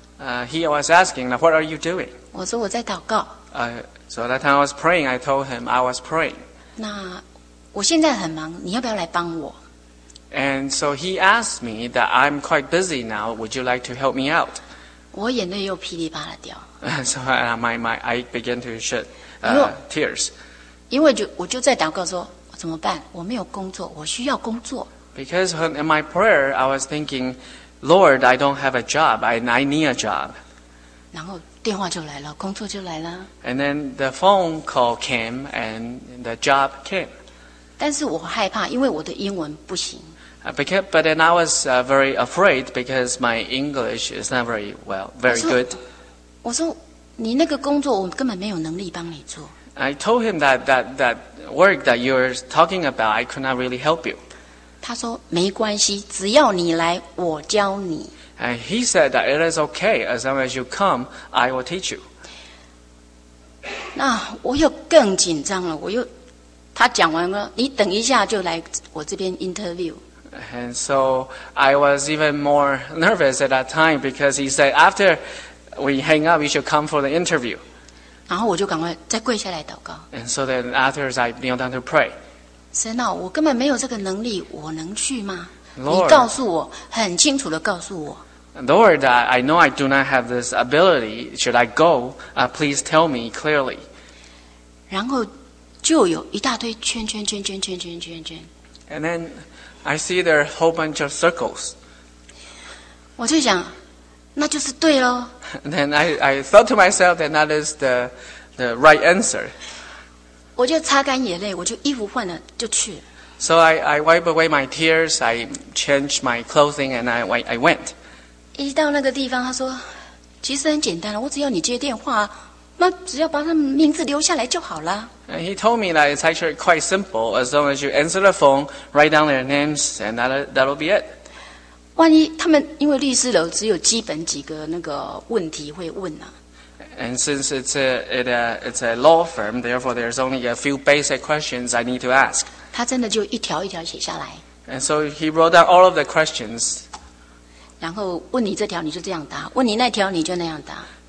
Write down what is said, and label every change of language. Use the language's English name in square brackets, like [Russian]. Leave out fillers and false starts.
[English] He was asking, "What are you doing?" [Chinese] 我说我在祷告。 [English] So that time I was praying, I told him I was praying. [Chinese] 那我现在很忙，你要不要来帮我？ [English] And so he asked me that I'm quite busy now, would you like to help me out? [Chinese] 我眼泪又噼里啪啦掉。 [English] So I began to shed tears. [Chinese] 因为我就在祷告说，怎么办？我没有工作，我需要工作。 [English] Because in my prayer, I was thinking, Lord, I don't have a job, and I need a job. [Chinese] 然后电话就来了，工作就来了。 [English] And then the phone call came, and the job came. [Chinese] 但是我害怕，因为我的英文不行。 [English] But then I was very afraid because my English is not very well, very good. [Chinese] 我说，你那个工作我根本没有能力帮你做。 [English] I told him that work that you're talking about, I could not really help you. [Chinese] 他说，没关系，只要你来，我教你。 [English] And he said that it is okay, as long as you come, I will teach you. [Chinese] 那我又更紧张了，他讲完了，你等一下就来我这边 interview。 [English] And so I was even more nervous at that time because he said, after we hang up, you should come for the interview. [Chinese] 然后我就赶快再跪下来祷告。 [English] And so then afterwards, I kneel down to pray. [Chinese] 神啊，我根本没有这个能力，我能去吗？ [English] Lord, [Chinese] 你告诉我，很清楚地告诉我。 [English] Lord, I know I do not have this ability. Should I go? Please tell me clearly. [Chinese] 然后就有一大堆圈圈圈圈圈圈圈圈。 [English] And then... I see there are a whole bunch of circles. [Chinese] 我就想，那就是对咯。 [English] Then I thought to myself that that is the right answer. [Chinese] 我就擦干眼泪，我就衣服换了就去了。 [English] So I wipe away my tears, I change my clothing, and I went. [Chinese] 一到那个地方，他说，其实很简单了，我只要你接电话，那只要把他们名字留下来就好了。 [English] And he told me that it's actually quite simple. As long as you answer the phone, write down their names, and that'll be it. [Chinese] 万一他们因为律师楼只有基本几个那个问题会问啊。 [English] And since it's a law firm, therefore there's only a few basic questions I need to ask. [Chinese] 他真的就一条一条写下来。 [English] And so he wrote down all of the questions. [Chinese] 然后问你这条你就这样答，问你那条你就那样答。